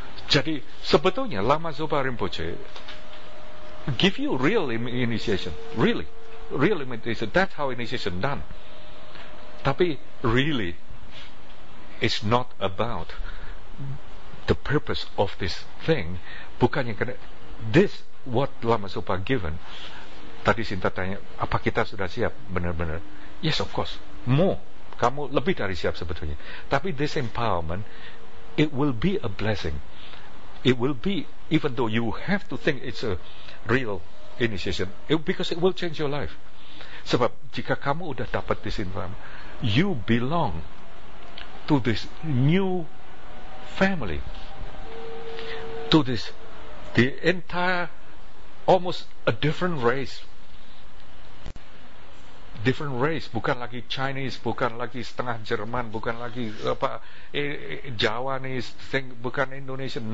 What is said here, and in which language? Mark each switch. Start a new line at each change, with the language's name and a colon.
Indonesian: Jadi sebetulnya
English: Lama Zopa Rinpoche give you real initiation, real imitation. That's how initiation done.
Indonesian: Tapi
English: really, it's not about the purpose of this thing.
Indonesian: Bukannya kena,
English: this what Lama Zopa given.
Indonesian: Tadi Sinta tanya, apa kita sudah siap benar-benar?
English: Yes, of course. More,
Indonesian: kamu lebih dari siap sebetulnya. Tapi
English: this empowerment, it will be a blessing. It will be, even though you have to think it's a real initiation, because it will change your life.
Indonesian: Sebab jika kamu udah dapat
English: this environment, you belong to this new family, to this the entire almost a different race,
Indonesian: bukan lagi Chinese, bukan lagi setengah Jerman, bukan lagi apa Jawanese thing, bukan Indonesian.